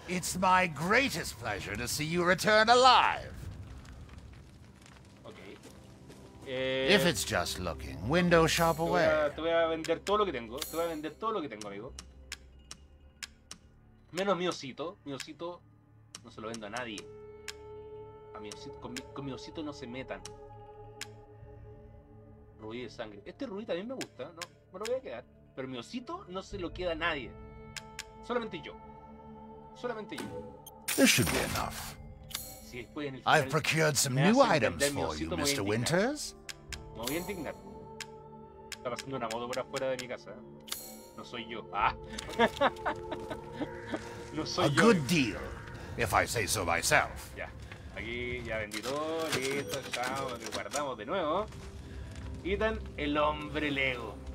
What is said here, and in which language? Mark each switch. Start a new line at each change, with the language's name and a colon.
English: It's my greatest pleasure to see you return alive. Okay. If it's just looking, window shop away.
Spanish: Te voy a vender todo lo que tengo. Te voy a vender todo lo que tengo, amigo. Menos mi osito. Mi osito no se lo vendo a nadie. A mi osito, con mi osito no se metan. Rubí de sangre. Este rubí también me gusta, ¿no? Me lo voy a quedar. Pero mi osito no se lo queda a nadie. Solamente yo. Solamente yo.
English: This should be enough.
Spanish: Si después en el
English: final, I've procured some new items for you, Mr. Winters.
Spanish: Me voy a indignar. Estaba haciendo una moto por afuera de mi casa. No soy yo. Ah. No soy a yo.
English: A good deal, if I say so myself.
Spanish: Ya. Aquí ya vendí todo, listo, chao, lo guardamos de nuevo. Ethan, el hombre Lego.